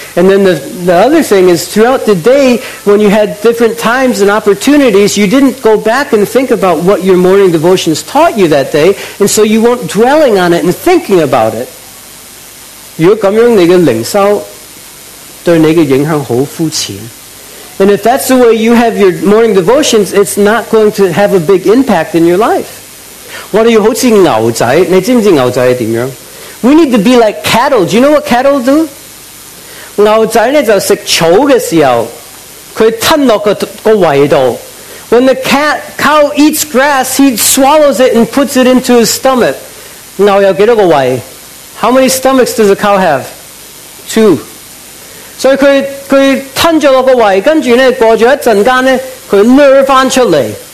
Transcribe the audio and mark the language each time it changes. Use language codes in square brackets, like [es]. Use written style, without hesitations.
[en] ？And then the other thing is, throughout the day, when you had different times and opportunities, you didn't go back and think about what your morning devotions taught you that day, and so you weren't dwelling on it and thinking about it. [yue] 如果咁样，你嘅灵修对你嘅影响好肤浅。 [en] And if that's the way you have your morning devotions, it's not going to have a big impact in your life. [yue] 我哋要好似牛仔，你知唔知牛仔系点样？ [en] We need to be like cattle. Do you know what cattle do? [yue] 牛仔呢就食草嘅时候，佢吞落个胃度。 [en] When the cow eats grass, he swallows it and puts it into his stomach. [yue] 牛有几多个胃？ [en] How many stomachs does a cow have? 2. [yue] So 佢吞咗落个胃，跟住呢过咗一阵间呢，佢甩翻出嚟，